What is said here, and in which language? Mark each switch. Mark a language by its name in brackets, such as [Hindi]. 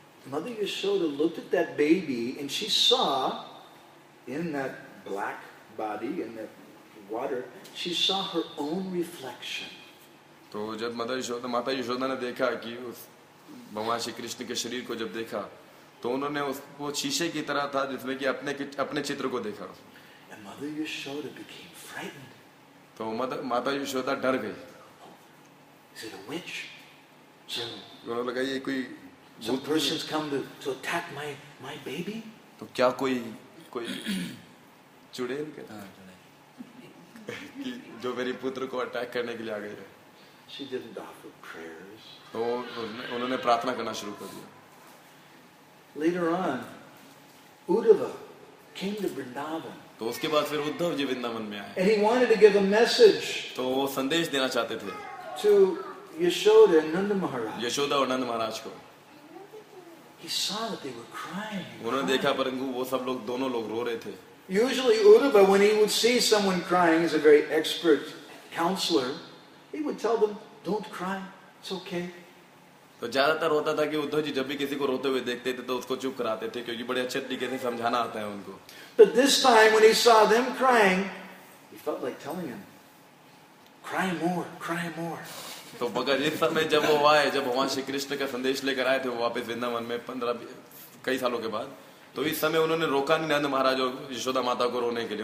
[English] Mother Yashoda looked at that baby and she saw in that black body and that water, she saw her own reflection. [Hindi] तो जब माता यशोदा ने देखा कि उस भगवान श्री कृष्ण के शरीर को जब देखा तो उन्होंने उस वो शीशे की तरह था जिसमें कि अपने अपने चित्र को देखा. [English] And Mother Yashoda became frightened. [Hindi] तो माता यशोदा डर गई. [English] Is it a witch? [Hindi] उन्होंने लगा ये कोई [English] भूत. Some persons come to attack my baby. [Hindi] तो क्या कोई चुड़ैल के था जो मेरी पुत्र को अटैक करने के लिए आ गई है. [English] She didn't offer prayers. [Hindi] तो उन्होंने प्रार्थना करना शुरू कर दिया. [English] Later on, Uddhava came to Vrindavan. [Hindi] तो उसके बाद फिर उद्धव जी वृंदावन में आए. [English] And he wanted to give a message. [Hindi] तो वो संदेश देना चाहते थे. [English] To Yashoda and Nanda Maharaj. [Hindi] Yashoda और नंद महाराज को. [English] He saw that they were crying. [Hindi] उन्होंने देखा परंतु वो सब लोग दोनों लोग रो रहे थे. [English] Usually Uddhava, when he would see someone crying, is a very expert counselor. He would tell them, "Don't cry. It's okay." [Hindi] तो ज्यादातर होता था कि उद्धव जी जब भी किसी को रोते हुए देखते थे तो उसको चुप कराते थे क्योंकि बड़े अच्छे तरीके से समझाना आता है उनको. [English] But this time, when he saw them crying, he felt like telling him, "Cry more, cry more." [Hindi] तो भगत इस समय जब वो आए, जब भगवान श्री कृष्ण का संदेश लेकर आए थे वो वापस वृंदावन में 15 कई सालों के बाद, तो इस समय उन्होंने रोका नहीं नंद महाराज और यशोदा माता को रोने के लिए.